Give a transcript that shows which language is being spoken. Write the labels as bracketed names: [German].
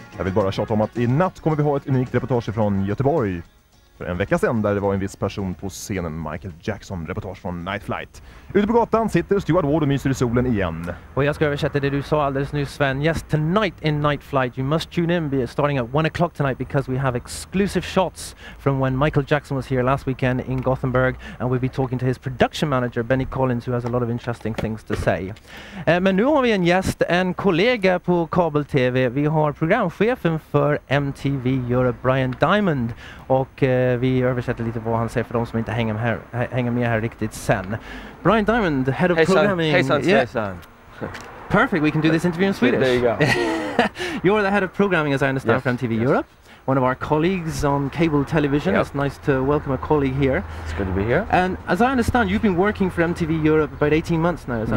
[Swedish] Jag vill bara tjata om att i natt kommer vi ha ett unikt reportage från Göteborg. För en vecka sedan där det var en viss person på scenen, Michael Jackson, reportage från Nightflight. Ute på gatan sitter Stuart Ward och myser i solen igen. Och jag ska översätta det du sa alldeles nyss, Sven. [English] Yes, tonight in Nightflight you must tune in starting at 1 o'clock tonight because we have exclusive shots from when Michael Jackson was here last weekend in Gothenburg and we'll be talking to his production manager Benny Collins who has a lot of interesting things to say. [Swedish] Men nu har vi en gäst, en kollega på kabel-tv. Vi har programchefen för MTV Europe, Brian Diamond, och vi översätter lite vad han säger för de som inte hänger med här riktigt sen. [English] Brian Diamond, head of programming. Hey son. Perfect, we can do this interview in Swedish. There you go. You're the head of programming, as I understand, yes, from MTV Europe. One of our colleagues on cable television. Yep. It's nice to welcome a colleague here. It's good to be here. And as I understand, you've been working for MTV Europe about 18 months now, is that